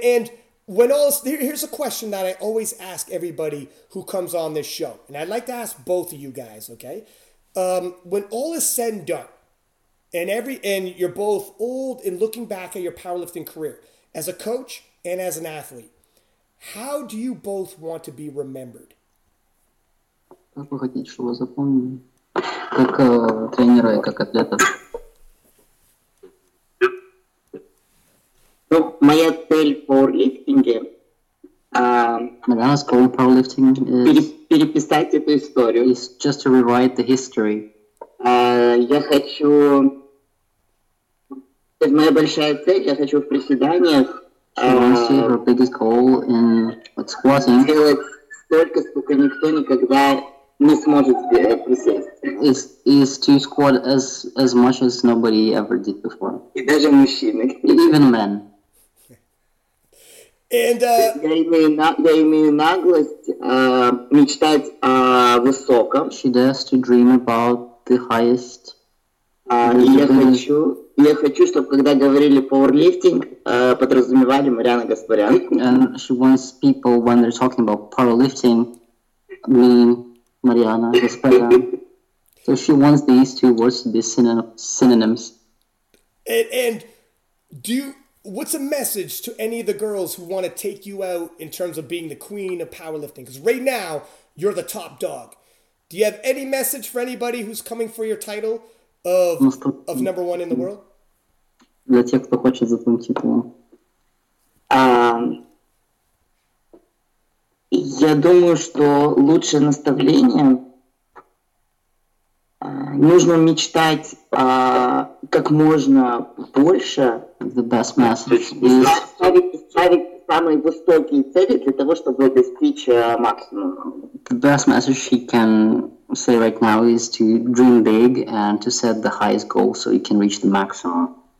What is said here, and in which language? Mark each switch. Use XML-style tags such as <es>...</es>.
<en>And when all this, here's a question that I always ask everybody who comes on this show, and I'd like to ask both of you guys, okay? When all is said and done, and you're both old and looking back at your powerlifting career as a coach and as an athlete, how do you both want to be remembered?</en> <ru>Как вы хотите, чтобы вас запомнили? Как тренера и как атлета? Ну, моя цель в пауэрлифтинге... Моя цель в пауэрлифтинге... Переписать эту историю.</ru> <en>It's just to rewrite the history.</en> <ru>Я хочу... Это моя большая цель, я хочу в приседаниях...</ru> <en>Her biggest goal in what's squatting.</en> <ru>Сделать столько, сколько никто никогда... не сможет присесть.</ru> <en>Is to squat as much as nobody ever did before.</en> <ru>И даже мужчины.</ru> <en>Even men. And,</en> <ru>я имею наглость мечтать о высоком.</ru> <en>She dares to dream about the highest.</en> <ru>Я хочу, чтобы когда говорили powerlifting, подразумевали Мариана Гаспарян.</ru> <en>And she wants people, when they're talking about powerlifting, mean Mariana, so she wants these two words to be synonyms. And do you, what's a message to any of the girls who want to take you out in terms of being the queen of powerlifting? Because right now, you're the top dog. Do you have any message for anybody who's coming for your title of number one in the world?</en> <ru>Для тех, кто хочет за твоим титулом. Я думаю, что лучшее наставление нужно мечтать как можно больше.</ru> <en>The best message is...</en> <ru>Ставить самые высокие цели для того, чтобы достичь максимума.</ru> <en>The best message she can say right now is to dream big and to set the highest goal so you can reach the maximum.</en>